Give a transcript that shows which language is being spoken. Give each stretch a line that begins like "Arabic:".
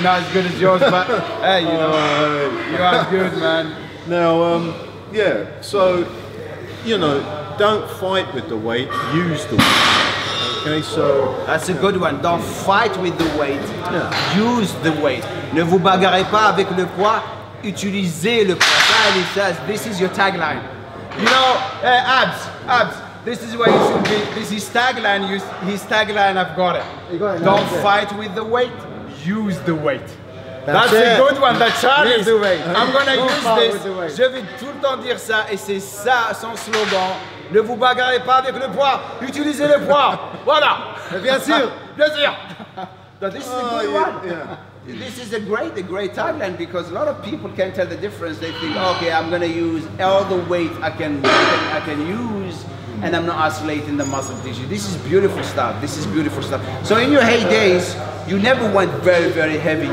English: Not as good as yours, but hey, you know, you are good, man. Now, so, you know, don't fight with the weight, use the weight. Okay, so. That's a good one. Don't fight with the weight, use the weight.
French: Ne vous bagarrez pas avec le poids, utilisez le poids.
English: He says, this is your tagline. You know, abs. This is where you should be. This is his tagline, I've got it. Don't fight with the weight, use the weight. That's a good one, that Charlie's. I'm gonna use this.
French: Je vais tout le temps dire ça, et c'est ça son slogan. Ne vous bagarrez pas avec le poids, utilisez le poids. Voilà. Bien sûr. Bien sûr.
English: This is a good one. This is a great tagline because a lot of people can't tell the difference. They think, okay, I'm gonna use all the weight I can use. And I'm not isolating the muscle tissue. This is beautiful stuff. So in your heydays, you never went very, very heavy.